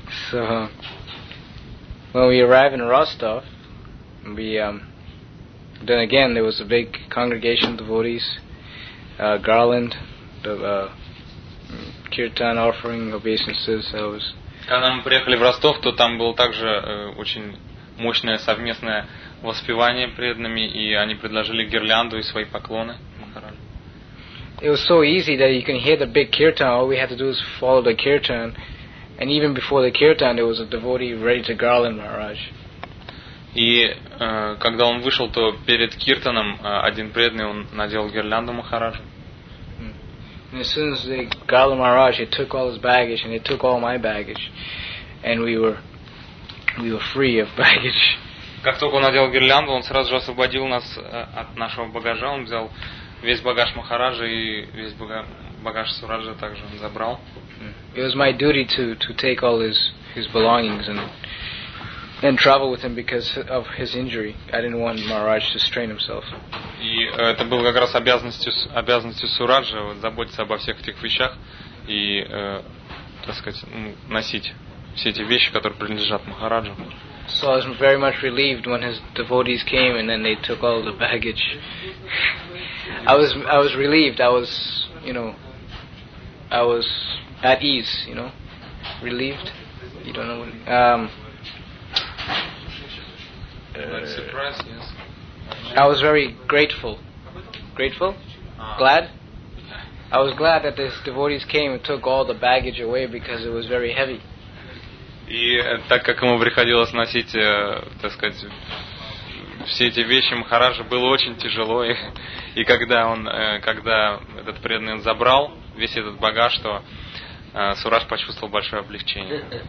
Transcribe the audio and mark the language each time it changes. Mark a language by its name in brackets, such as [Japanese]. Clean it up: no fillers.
[English] So when we arrived in Rostov, we then again there was a big congregation of devotees, garland, the kirtan offering obeisances. So it was. [Russian] Когда мы приехали в Ростов, то там было также очень мощное совместное воспевание преданными, и они предложили гирлянду и свои поклоны. [English] It was so easy that you can hear the big kirtan. All we had to do is follow the kirtan. And even before the kirtan, there was a devotee ready to garland Maharaj. [Russian] И когда он вышел, то перед киртаном один преданный он надел гирлянду Махараджу. [English] And as soon as they garland Maharaj, he took all his baggage and he took all my baggage, and we were free of baggage. [Russian] Как только он надел гирлянду, он сразу же освободил нас от нашего багажа. Он взял весь багаж Махараджа и весь багаж Сураджа также он забрал. [English] It was my duty to take all his belongings and travel with him because of his injury. I didn't want Maharaj to strain himself. [Russian] И это было как раз обязанностью Сураджа вот, заботиться обо всех этих вещах и так сказать, носить все эти вещи, которые принадлежат Махараджу. [English] So I was very much relieved when his devotees came and then they took all the baggage. I was relieved. I was at ease, you know, relieved. You don't know what. Surprised, yes. I was very grateful, glad. I was glad that his devotees came and took all the baggage away because it was very heavy. [Russian] И так как ему приходилось носить, так сказать, все эти вещи Махараджа, было очень тяжело. И когда этот преданный забрал весь этот багаж, то Сураж почувствовал большое облегчение.